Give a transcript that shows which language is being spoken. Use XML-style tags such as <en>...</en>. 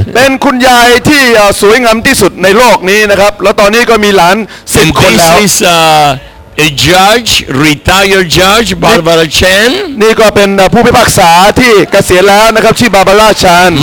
<th>เป็นคุณยายที่สวยงามที่สุดในโลกนี้นะครับแล้วตอนนี้ก็มีหลาน10คนแล้ว</th> <en>This is a judge retired judge Barbara Chan</en> <th>นี่ก็เป็นผู้พิพากษาที่เกษียณแล้วนะครับชื่อบาร์บาร่าชาน</th>